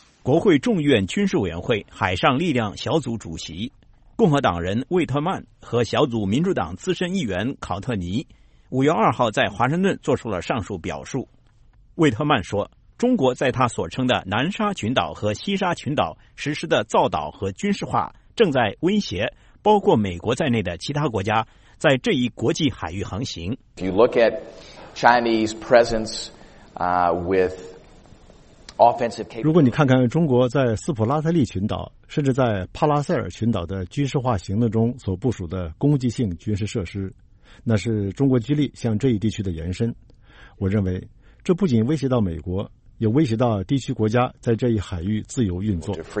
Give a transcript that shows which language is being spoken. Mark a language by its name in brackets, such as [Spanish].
[Chinese] 国会众议院军事委员会海上力量小组主席共和党人魏特曼和小组民主党资深议员考特尼5月2号在华盛顿做出了上述表述。魏特曼说，中国在他所称的南沙群岛和西沙群岛实施的造岛和军事化正在威胁包括美国在内的其他国家在这一国际海域航行。 [English] If you look at Chinese presence, with offensive capability, [Chinese] 如果你看看中国在斯普拉特利群岛甚至在帕拉塞尔群岛的军事化行动中所部署的攻击性军事设施，那是中国军力向这一地区的延伸。我认为这不仅威胁到美国，也威胁到地区国家在这一海域自由运作。